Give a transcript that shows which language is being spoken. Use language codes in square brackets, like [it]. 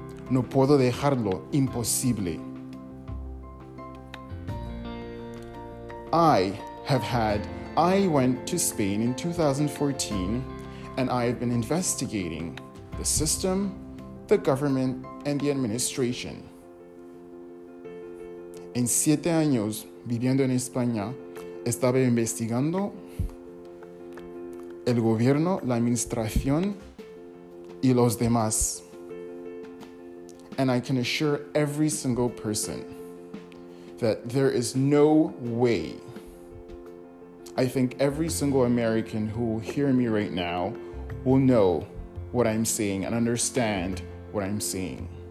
[es] No puedo dejarlo. Imposible. [en] I went to Spain in 2014, and I have been investigating the system, the government, and the administration. [es] En 7 años viviendo en España, estaba investigando el gobierno, la administración, y los demás. [en] And I can assure every single person that there is no way. I think every single American who will hear me right now will know what I'm saying and understand what I'm saying.